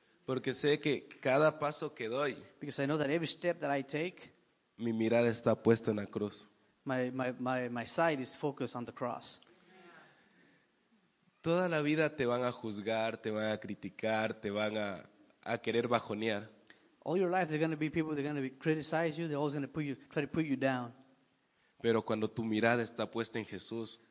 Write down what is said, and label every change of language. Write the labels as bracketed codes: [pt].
[es] Porque sé que cada paso que doy. [en] Because I know that every step that I take. [es] Mi mirada está puesta en la cruz. [en] My sight is focused on the cross. [es] Toda la vida te van a juzgar, te van a criticar, te van a querer bajonear. [en] All your life there are going to be people that are going to criticize you. They're always going to try to put you down. [es] Pero cuando tu mirada está puesta en Jesús.